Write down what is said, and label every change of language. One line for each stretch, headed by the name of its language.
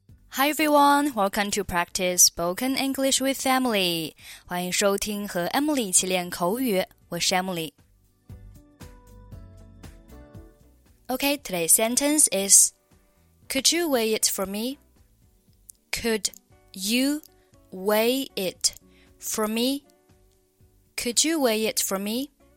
English: Hi everyone, welcome to practice spoken English with Emily.
Chinese: 欢迎收听和 Emily 一起练口语，我是 Emily.
English: Okay, today's sentence is, could you weigh it for me? Could you weigh it for me? Could you weigh it for me?